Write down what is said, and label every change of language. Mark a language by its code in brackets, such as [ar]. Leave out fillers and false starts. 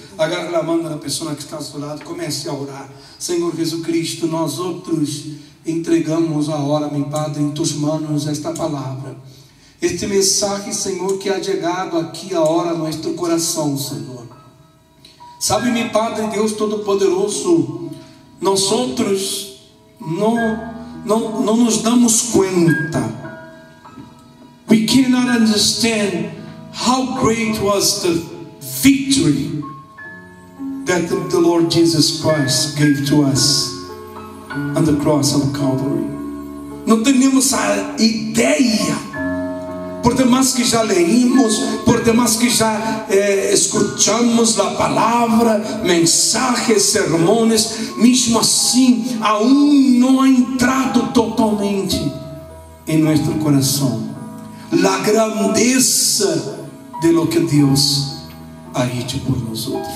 [pt] Agarre a mão da pessoa que está ao seu lado. Comece a orar. Senhor Jesus Cristo, nós outros entregamos agora, meu Padre, em tuas mãos esta palavra. Este mensagem, Senhor, que há chegado aqui agora no nosso coração, Senhor. Sabe, meu Padre, Deus Todo-Poderoso, nós outros não nos damos conta. [en] We cannot understand how great was the victory that the Lord Jesus Christ gave to us on the cross of Calvary. [pt] Não temos a ideia. Por demais que já leímos, por demais que já escutamos a palavra, mensagens, sermões, mesmo assim, aún não ha entrado totalmente em nosso coração a grandeza de [es] lo que [pt] Deus [es] ha hecho [pt] por nós.